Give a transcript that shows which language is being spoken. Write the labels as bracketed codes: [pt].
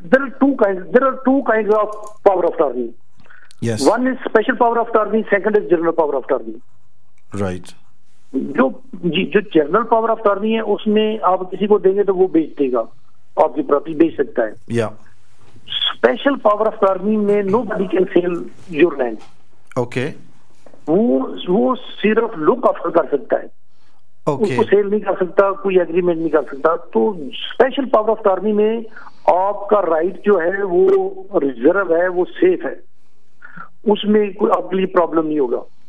[en] There are two kind of power of attorney. Yes, one is special power of attorney, second is general power of attorney. Right, [hi] जो general power of attorney है उसमें आप किसी को देंगे तो वो बेच देगा, आपकी प्रॉपर्टी बेच सकता है। या स्पेशल पावर ऑफ अटॉर्नी में [en] nobody can sell your land. Okay. [hi] वो सिर्फ लुक ऑफर कर सकता है। [en] Okay. [hi] उसको सेल नहीं कर सकता, कोई एग्रीमेंट नहीं कर सकता। तो स्पेशल पावर ऑफ अटॉर्नी में आपका राइट जो है वो रिजर्व है, वो सेफ है, उसमें कोई आपके लिए प्रॉब्लम नहीं होगा।